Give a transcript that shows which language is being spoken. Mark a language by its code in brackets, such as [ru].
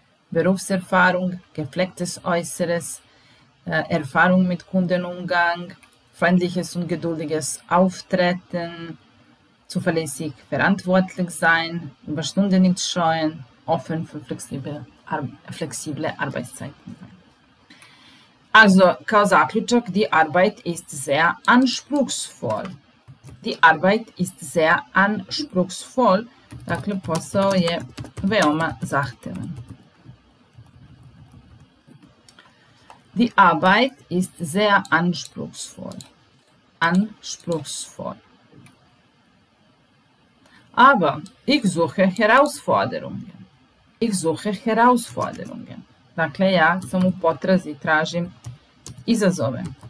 [de] Berufserfahrung, geflecktes Äußeres, Erfahrung mit Kundenumgang, freundliches und geduldiges Auftreten, zuverlässig verantwortlich sein, Überstunden nicht scheuen, offen für flexible Arbeitszeiten sein. Also, [sr] kao zaključak, [de] die Arbeit ist sehr anspruchsvoll. Die Arbeit ist sehr anspruchsvoll. [sr] Dakle, posao je veoma zahtevan. [de] Die Arbeit ist sehr anspruchsvoll. Anspruchsvoll. Aber ich suche Herausforderungen. Ich suche Herausforderungen. [sr] Dakle, ja sam u potrazi, tražim izazove.